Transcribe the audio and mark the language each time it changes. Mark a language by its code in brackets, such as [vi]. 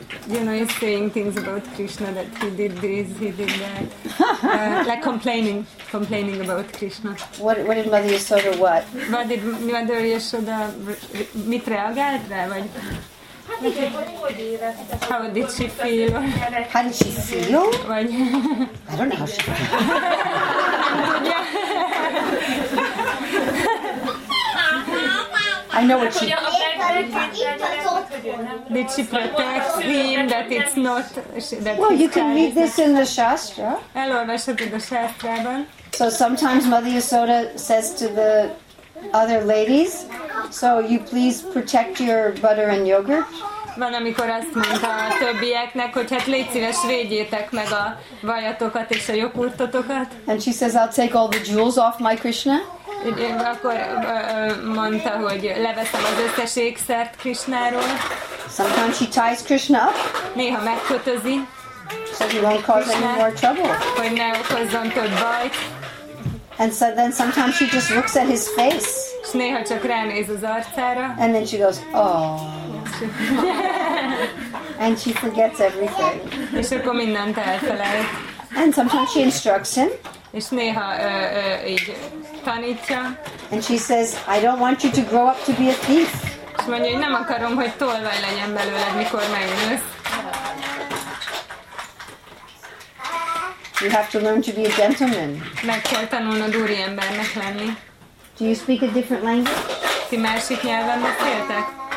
[en] You know, he's saying things about Krishna, that he did this, he did that. Like complaining about Krishna. What did Mother Yashoda what? What did Mother Yashoda, [hu] mit reagált rá, vagy? [en] How did she feel? How did she feel? [hu] Vagy? [en] I don't know how she feels. I know what she did. She protect him that it's not. That well, you can read this in the Shastra. Hello, Vashati, the Shastra. So sometimes Mother Yasoda says to the other ladies, so you please protect your butter and yogurt. [hu] Van, amikor azt mondta a többieknek, hogy hát légy szíves, védjétek meg a vajatokat és a joghurtotokat. [en] And she says, I'll take all the jewels off my Krishna. [hu] Akkor mondta, hogy leveszem az összes ékszert Krishnáról. [en] Sometimes she ties Krishna up. [hu] Néha megkötözi. [en] So he won't cause Krishna, any more trouble. [hu] Hogy ne okozzon több bajt. [en] And so then sometimes she just looks at his face. [hu] És néha csak ránéz az arcára. [en] And then she goes, oh. And she forgets everything. [hu] És akkor mindent elfelel. [en] And sometimes she instructs him. [hu] És néha így tanítja. [en] And she says, I don't want you to grow up to be a thief. [hu] És mondja, hogy nem akarom, hogy tolvaj legyen belőled, mikor megnősz. [en] You have to learn to be a gentleman. [hu] Meg kell tanulnod úri embernek lenni. [en] Do you speak a different language? [hu] Ti másik nyelven beszéltek?